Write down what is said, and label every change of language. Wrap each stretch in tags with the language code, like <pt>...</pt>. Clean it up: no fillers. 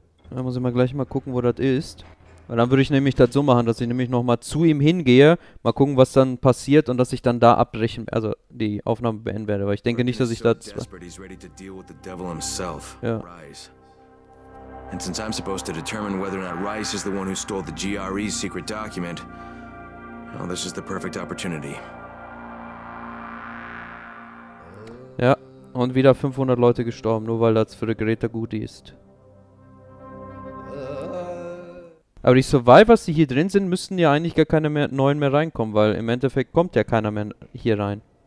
<de>Da muss ich mal gleich mal gucken, wo das ist. Weil dann würde ich nämlich das so machen, dass ich nämlich nochmal zu ihm hingehe, mal gucken, was dann passiert und dass ich dann da abbrechen, also die Aufnahme beenden werde. Weil ich denke nicht, dass ich das... Ja.</de> <en>And since I'm supposed to determine whether or not Rice is the one who stole the GRE's secret document, well, this is the perfect opportunity.</en> <de>Ja, und wieder 500 Leute gestorben, nur weil das für die Greta gut ist. Aber die Survivors, die hier drin sind, müssten ja eigentlich gar keine mehr neuen mehr reinkommen, weil im Endeffekt kommt ja keiner mehr hier rein.</de>